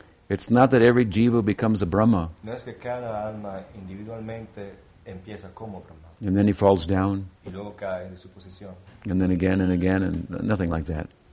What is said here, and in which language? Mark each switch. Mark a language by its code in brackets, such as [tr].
[en] It's not that every jiva becomes a Brahma. [es] No es que cada alma individualmente empieza como Brahma. [en] And then he falls down. [es] Y luego cae de su posición. [en] And then again and again and nothing like that.